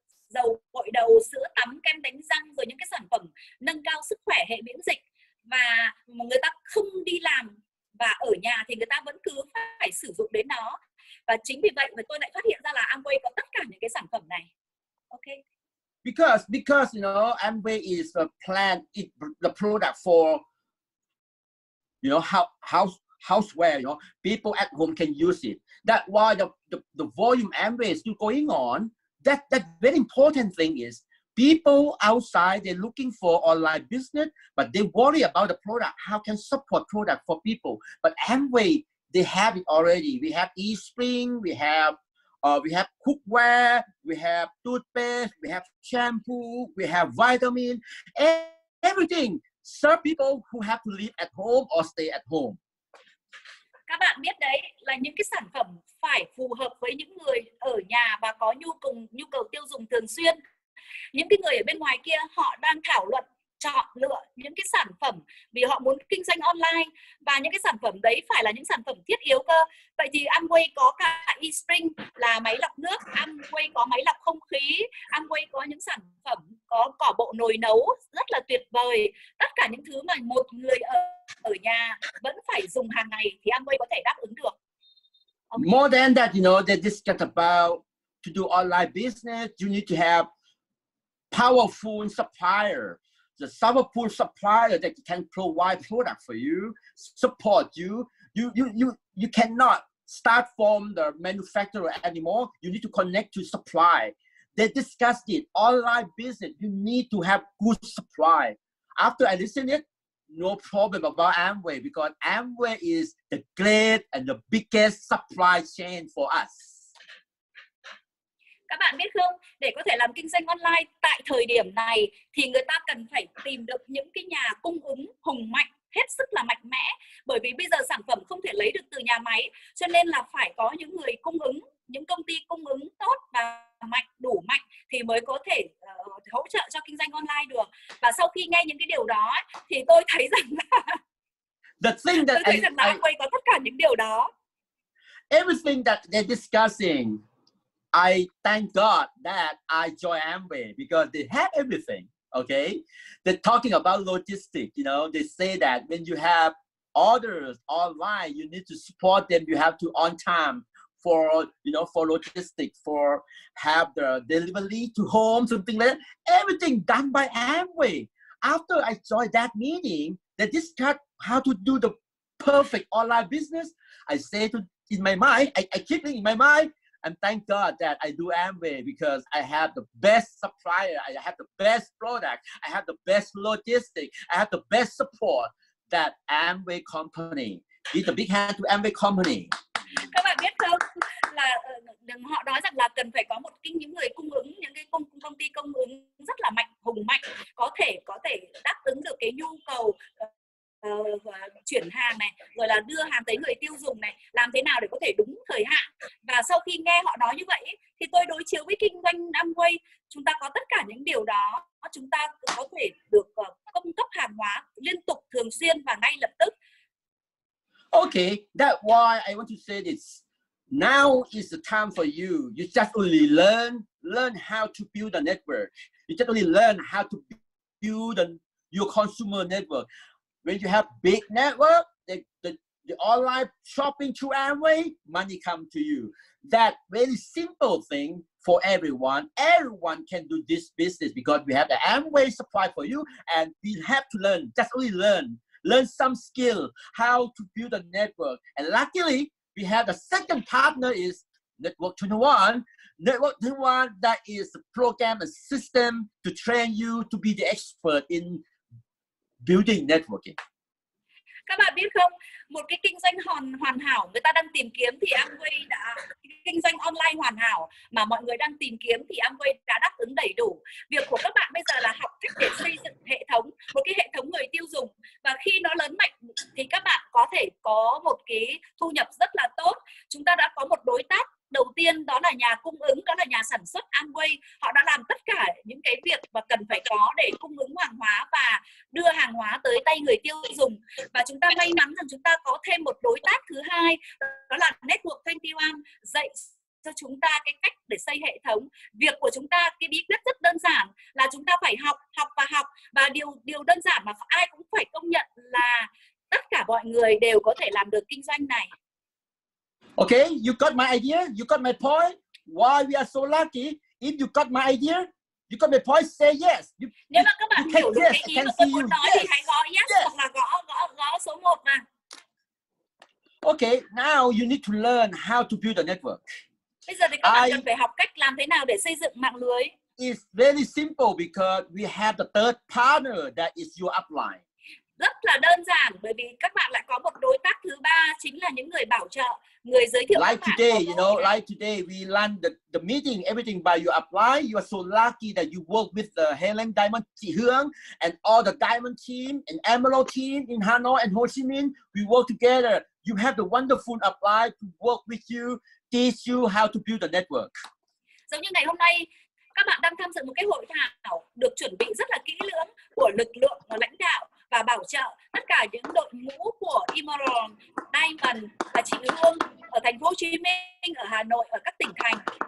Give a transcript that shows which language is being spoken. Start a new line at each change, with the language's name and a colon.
Vietnamese: dầu gội đầu, sữa tắm, kem đánh răng, rồi những cái sản phẩm nâng cao sức khỏe hệ miễn dịch. Và người ta không đi làm và ở nhà thì người ta vẫn cứ phải sử dụng đến nó. Và chính vì vậy mà tôi lại phát hiện ra là Amway có tất cả những cái sản phẩm này.
English: Ok. Because you know, Amway is a plan, it the product for, you know, houseware, you know, people at home can use it. That why the volume Amway is still going on. That very important thing is people outside, they're looking for online business, but they worry about the product. How can support product for people? But Amway, they have it already. We have eSpring, we have cookware, we have toothpaste, we have shampoo, we have vitamin, everything. Serve people who have to live at home or stay at home.
Vietnamese: Các bạn biết đấy, là những cái sản phẩm phải phù hợp với những người ở nhà và có nhu cầu tiêu dùng thường xuyên. Những cái người ở bên ngoài kia họ đang thảo luận, chọn lựa những cái sản phẩm vì họ muốn kinh doanh online, và những cái sản phẩm đấy phải là những sản phẩm thiết yếu cơ. Vậy thì Amway có cả eSpring là máy lọc nước, Amway có máy lọc không khí, Amway có những sản phẩm có cỏ bộ nồi nấu rất là tuyệt vời. Tất cả những thứ mà một người ở nhà vẫn phải dùng hàng ngày thì Amway có thể đáp ứng được.
English: Okay. More than that, you know, they discuss about to do online business, you need to have powerful supplier. The server pool supplier that can provide product for you, support you. You cannot start from the manufacturer anymore. You need to connect to supply. They discussed it. Online business, you need to have good supply. After I listened it, no problem about Amway, because Amway is the great and the biggest supply chain for us.
Vietnamese: Các bạn biết không, để có thể làm kinh doanh online tại thời điểm này thì người ta cần phải tìm được những cái nhà cung ứng hùng mạnh, hết sức là mạnh mẽ. Bởi vì bây giờ sản phẩm không thể lấy được từ nhà máy, cho nên là phải có những người cung ứng, những công ty cung ứng tốt và mạnh, đủ mạnh thì mới có thể hỗ trợ cho kinh doanh online được. Và sau khi nghe những cái điều đó thì tôi thấy rằng là Amway có tất cả những điều đó.
English: Everything that they're discussing, I thank God that I join Amway because they have everything, okay? They're talking about logistics, you know, they say that when you have orders online, you need to support them, you have to on time for, you know, for logistics, for have the delivery to home, something like that. Everything done by Amway. After I joined that meeting, they discussed how to do the perfect online business. I say to in my mind, I keep it in my mind, and thank God that I do Amway because I have the best supplier, I have the best product, I have the best logistics, I have the best support that Amway company. Give a big hand to Amway company.
Vietnamese: Các bạn biết không, là họ nói rằng là cần phải có một kinh những người cung ứng, những cái công ty cung ứng rất là mạnh, hùng mạnh, có thể đáp ứng được cái nhu cầu chuyển hàng này, rồi là đưa hàng tới người tiêu dùng này, làm thế nào để có thể đúng thời hạn. Và sau khi nghe họ nói như vậy thì tôi đối chiếu với kinh doanh Amway, chúng ta có tất cả những điều đó, chúng ta có thể được cung cấp hàng hóa liên tục, thường xuyên và ngay lập tức.
English: Okay, that's why I want to say this. Now is the time for you. You just only learn how to build a network. You just only learn how to build your consumer network. When you have big network, the online shopping through Amway, money come to you. That very simple thing for everyone. Everyone can do this business because we have the Amway supply for you, and we have to learn, just only learn. Learn some skill, how to build a network. And luckily, we have a second partner is Network 21. Network 21, that is a program, a system to train you to be the expert in building networking.
Vietnamese: Các bạn biết không, một cái kinh doanh hoàn hảo người ta đang tìm kiếm thì Amway đã kinh doanh online hoàn hảo mà mọi người đang tìm kiếm thì Amway đã đáp ứng đầy đủ. Việc của các bạn bây giờ là học cách để xây dựng hệ thống, một cái hệ thống người tiêu dùng, và khi nó lớn mạnh thì các bạn có thể có một cái thu nhập rất là tốt. Chúng ta đã có một đối tác đầu tiên, đó là nhà cung ứng, đó là nhà sản xuất Amway. Họ đã làm tất cả những cái việc mà cần phải có để cung ứng hàng hóa và đưa hàng hóa tới tay người tiêu dùng. Và chúng ta may mắn rằng chúng ta có thêm một đối tác thứ hai, đó là Network 21, dạy cho chúng ta cái cách để xây hệ thống. Việc của chúng ta, cái bí quyết rất đơn giản là chúng ta phải học, học và học. Và điều đơn giản mà ai cũng phải công nhận là tất cả mọi người đều có thể làm được kinh doanh này.
English: Okay, you got my idea, you got my point. Why we are so lucky? If you got my idea, you got my point, say yes.
Vietnamese: Nếu mà các bạn hiểu được yes, cái ý mà tôi muốn nói yes, thì hãy gõ yes, yes, hoặc là gõ số 1 mà.
English: Okay, now you need to learn how to build a network.
Vietnamese: Bây giờ thì các bạn cần phải học cách làm thế nào để xây dựng mạng lưới.
English: It's very simple because we have the third partner that is your upline.
Vietnamese: Rất là đơn giản bởi vì các bạn lại có một đối tác thứ ba, chính là những người bảo trợ, người giới thiệu
English: like
Vietnamese: các
English: today,
Vietnamese: bạn.
English: You know, like today, we run the meeting, everything by your upline. You are so lucky that you work with the Helen Diamond Chi Hương and all the Diamond team and Emerald team in Hanoi and Ho Chi Minh. We work together. You have the wonderful apply to work with you, teach you how to build a network.
Vietnamese: Giống như ngày hôm nay, các bạn đang tham dự một cái hội thảo được chuẩn bị rất là kỹ lưỡng của lực lượng và lãnh đạo và bảo trợ tất cả những đội ngũ của Emerald, Diamond và chị Hương ở thành phố Hồ Chí Minh, ở Hà Nội, ở các tỉnh thành.